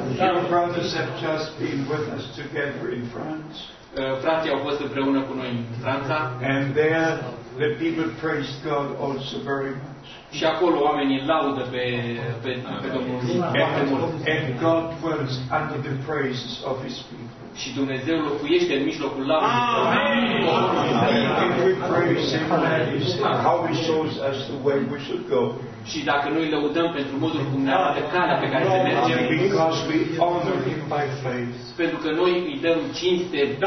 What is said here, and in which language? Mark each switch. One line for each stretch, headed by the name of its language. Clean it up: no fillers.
English: Our brothers have just been with us together in France.
Romanian: Frații au fost împreună cu noi în Franța.
English: And there the people praise God also very much.
Romanian: Și acolo oamenii laudă pe Domnul.
English: And God dwells under the praises of his people.
Romanian: Și Dumnezeu locuiește în mijlocul laudei. Amen.
English: We praise him and how he shows us the way we should go.
Romanian: Și dacă noi lăudăm pentru modul cum ne arată calea pe care să mergem.
English: Because we honor him by faith.
Romanian: Pentru că noi îi dăm cinste